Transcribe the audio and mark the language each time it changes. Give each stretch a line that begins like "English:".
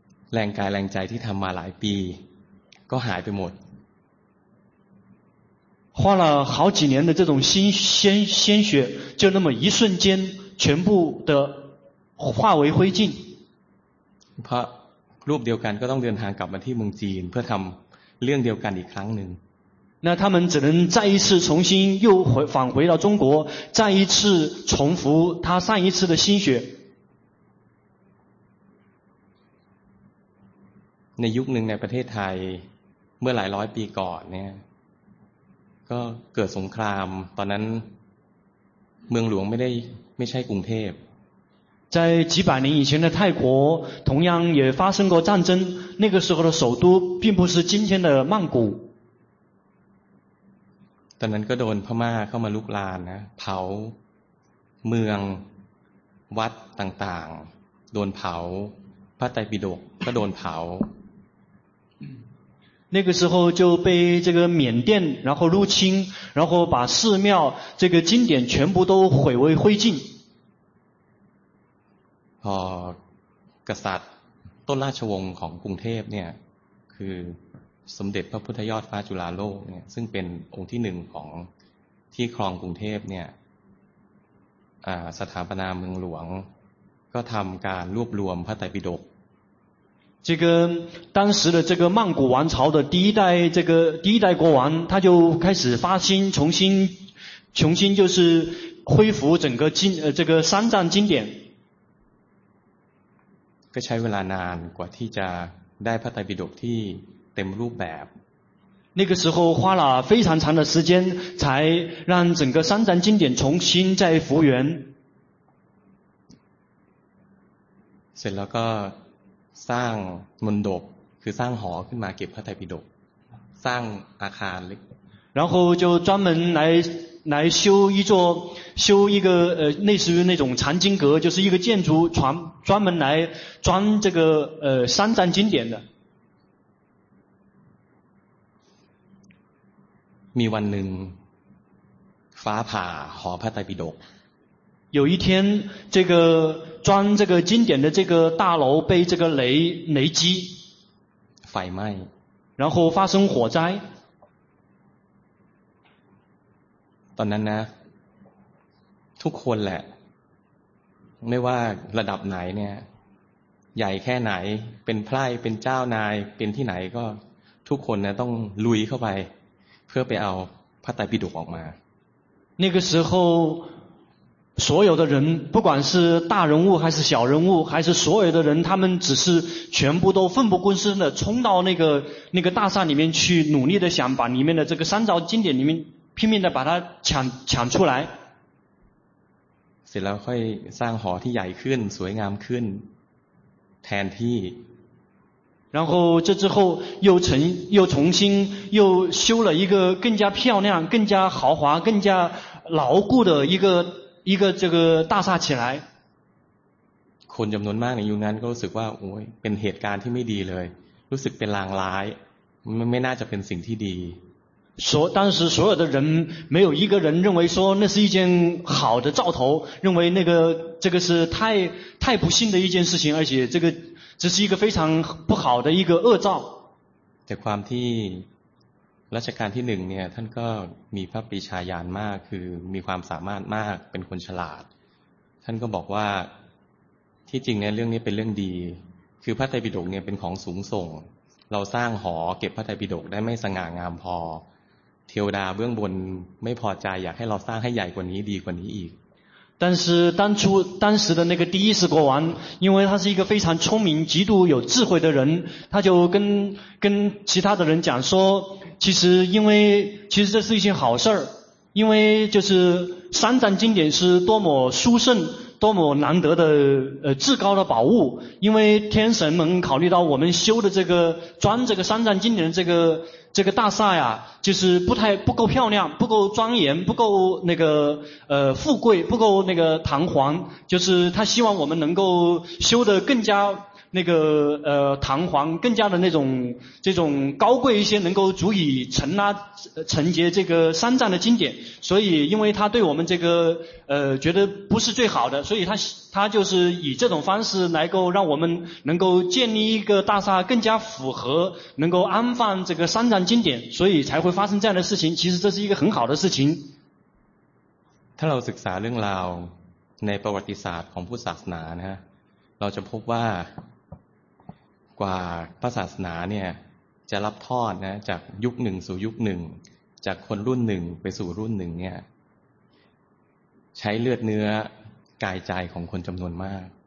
Thai: แรงกายแรงใจที่ทำมาหลายปีก็หายไปหมด
Chinese: 花了好几年的这种鲜血就那么一瞬间全部的化为灰烬
Thai: เพราะรูปเดียวกันก็ต้องเดินทางกลับมาที่เมืองจีนเพื่อทำเรื่องเดียวกันอีกครั้งหนึ่ง
Chinese: 那他们只能再一次重新又返回到中国，再一次重复他上一次的心血。
Thai: ในยุคหนึ่งในประเทศไทยเมื่อหลายร้อยปีก่อนเนี่ยก็เกิดสงครามตอนนั้นเมืองหลวงไม่ใช่กรุงเทพ
Chinese: 在几百年以前的泰国同样也发生过战争，那个时候的首都并不是今天的曼谷。
Thai: ตอนนั้นก็โดนพม่าเข้ามาลุกลามนะเผาเมืองวัดต่างๆโดนเผาพระไตรปิฎกก็โดนเผา
Chinese: 那个时候就被这个缅甸然后入侵，然后把寺庙这个经典全部都毁为灰烬。
Thai: 哦，กษัตริย์ต้นราชวงศ์ของกรุงเทพเนี่ยคือสมเด็จพระพุทธยอดฟ้าจุฬาโลกเนี่ยซึ่งเป็นองค์ที่หนึ่งของที่ครองกรุงเทพเนี่ยสถาปนาเมืองหลวงก็ทำการรวบรวมพระไตรปิฎก
Chinese: 这个当时的这个曼谷王朝的第一代这个第一代国王，他就开始发心重新就是恢复整个经这个三藏经典。
Thai: ก็ใช้เวลานานกว่าที่จะได้พระไตรปิฎกที่เต็มรูปแบบ
Chinese: 那个时候花了非常长的时间才让整个三藏经典重新再复原。
Thai: เสร็จแล้วก็สร้างมณฑปคือสร้างหอขึ้นมาเก็บพระไตรปิฎกสร้างอาคารเล็ก
Chinese: 然后就专门来修一个类似于那种藏经阁，就是一个建筑专门来装这个三藏经典的。
Thai: มีวันหนึ่งฟ้าผ่าหอพระไตรปิฎก
Chinese: 有一天这个装这个经典的这个大楼被这个雷击
Thai: ไฟไหม้
Chinese: 然后发生火灾
Thai: ตอนนั้นนะทุกคนแหละไม่ว่าระดับไหนเนี่ยใหญ่แค่ไหนเป็นไพร่เป็นเจ้านายเป็นที่ไหนก็ทุกคนนะต้องลุยเข้าไปเพื่อไปเอาพระไตรปิฎกออกมา
Chinese: 那个时候所有的人不管是大人物还是小人物还是所有的人他们只是全部都奋不顾身的冲到那个大厦里面去努力的想把里面的这个三藏经典里面拼命的把它抢出来
Thai: เสร็จแล้วค่อยสร้างหอที่ใหญ่ขึ้นสวยงามขึ้นแทนที่
Chinese: 然后这之后又重新修了一个更加漂亮更加豪华更加牢固的一个这个大厦起来
Thai: คนจำนวนมากในยุคนั้นก็รู้สึกว่าโอ้ยเป็นเหตุการณ์ที่ไม่ดีเลยรู้สึกเป็นลางร้ายไม่น่าจะเป็นสิ่งที่ดี
Chinese: 当时所有的人没有一个人认为说那是一件好的兆头认为那个这个是太不幸的一件事情而且这个这是一个非常不好的一个恶兆
Thai: แต่ความที่รัชกาลที่หนึ่งเนี่ยท่านก็มีพระปรีชาญาณมากคือมีความสามารถมากเป็นคนฉลาดท่านก็บอกว่าที่จริงเนี่ยเรื่องนี้เป็นเรื่องดีคือพระไตรปิฎกเนี่ยเป็นของสูงส่งเราสร้างหอเก็บพระไตรปิฎกได้ไม่สง่างามพอเทวดาเบื้องบนไม่พอใจอยากให้เราสร้างให้ใหญ่กว่านี้ดีกว่านี้อีก
Chinese: 但是当时的那个第一世国王，因为他是一个非常聪明、极度有智慧的人，他就跟其他的人讲说，其实这是一件好事儿，因为就是三藏经典是多么殊胜，多么难得的至高的宝物，因为天神们考虑到我们修的这个装这个三藏经典的这个大厦呀，就是不够漂亮，不够庄严，不够那个富贵，不够那个堂皇，就是他希望我们能够修得更加那个堂皇，更加的那种这种高贵一些，能够足以承接这个三藏的经典。所以因为他对我们这个觉得不是最好的，所以他就是以这种方式来够让我们能够建立一个大厦，更加符合能够安放这个三藏经典，所以才会发生这样的事情。其实这是一个很好的事情。
Thai: ถ้าเราศึกษาเรื่องราวในประวัติศาสตร์ของพุทธศาสนานะเราจะพบว่ากว่าพระศาสนาเนี่ยจะรับทอดนะจากยุคหนึ่งสู่ยุคหนึ่งจากคนรุ่นหนึ่งไปสู่รุ่นหนึ่งเนี่ยใช้เลือดเนื้อกายใจของคนจำนวนมาก